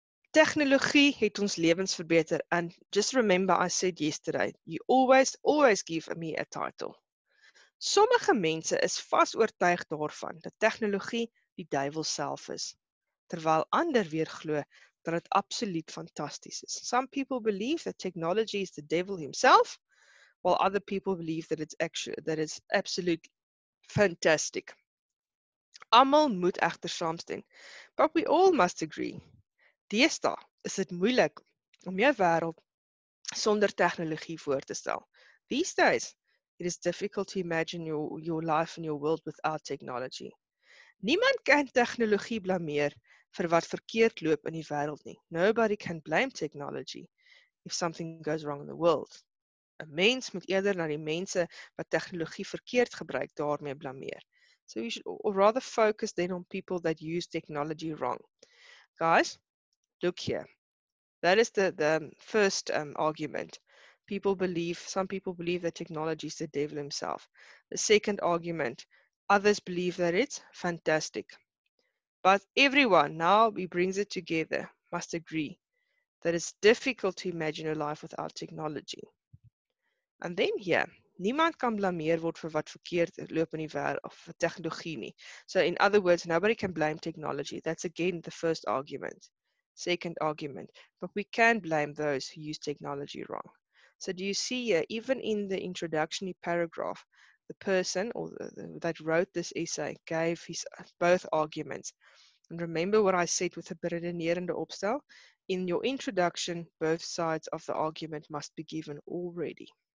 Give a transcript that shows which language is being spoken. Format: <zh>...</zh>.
<af>Technologie het ons levens verbeter.</af> <en>And just remember, I said yesterday, you always, always give me a title.</en> <af>Sommige mense is vast oortuig daarvan dat technologie die duivel self is. Terwyl ander weer glo dat het absoluut fantastisch is.</af> <en>Some people believe that technology is the devil himself, while other people believe that it's actually that it's absolute fantastic.</en> <af>Almal moet egter saamstem.</af> <en>But we all must agree.</en> <af>Deesdae is dit moeilik om jou wêreld sonder tegnologie voor te stel.</af> <en>These days, it is difficult to imagine your life and your world without technology.</en> <af>Niemand kan tegnologie blameer vir wat verkeerd loop in die wêreld nie.</af> <en>Nobody can blame technology if something goes wrong in the world.</en> <af>A mens moet eerder na die mense wat tegnologie verkeerd gebruik daarmee blameer.</af> <en>So we should rather focus then on people that use technology wrong. Guys, look here. That is the first argument. Some people believe that technology is the devil himself. The second argument, others believe that it's fantastic. But everyone, now we brings it together, must agree that it's difficult to imagine a life without technology. And then here,</en> <af>niemand kan blameer word vir wat verkeerd loop in die wêreld of vir tegnologie nie.</af> <en>So in other words, nobody can blame technology. That's again the first argument. Second argument, but we can blame those who use technology wrong. So do you see here, even in the introductory paragraph, the person or that wrote this essay gave his both arguments. And remember what I said with the beredenerende opstel? In your introduction, both sides of the argument must be given already.</en>